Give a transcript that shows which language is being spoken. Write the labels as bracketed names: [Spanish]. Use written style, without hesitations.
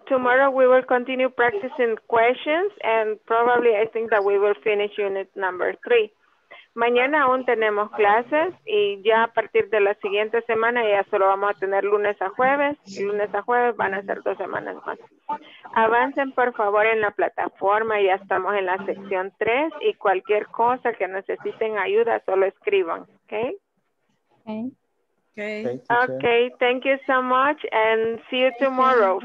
[English] Tomorrow we will continue practicing questions and probably I think that we will finish unit number 3. [Spanish] Mañana aún tenemos clases y ya a partir de la siguiente semana ya solo vamos a tener lunes a jueves. Lunes a jueves van a ser 2 semanas más. Avancen por favor en la plataforma. Ya estamos en la sección 3 y cualquier cosa que necesiten ayuda solo escriban. [English] Ok. Okay, thank you so much and see you tomorrow.